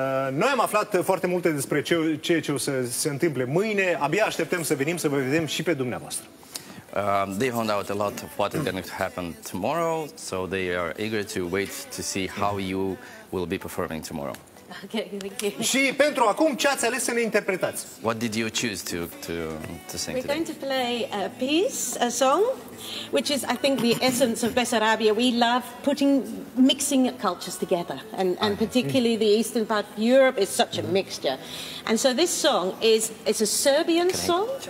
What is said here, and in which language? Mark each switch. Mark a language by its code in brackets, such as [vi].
[ro] Noi am aflat foarte multe despre ce o să se întâmple mâine. Abia așteptăm să venim să vă vedem și pe dumneavoastră. [en] They found out a lot of what is going to happen tomorrow, so they are eager to wait to see how you will be performing tomorrow. Okay, thank you. [ro] Și pentru acum, ce ați ales să ne interpretați? [en] What did you choose to sing? We're going to play a piece, a song, which is, I think, the essence of Besarabia. We love mixing cultures together, and particularly the eastern part of Europe is such a mixture. And so this song is a Serbian song.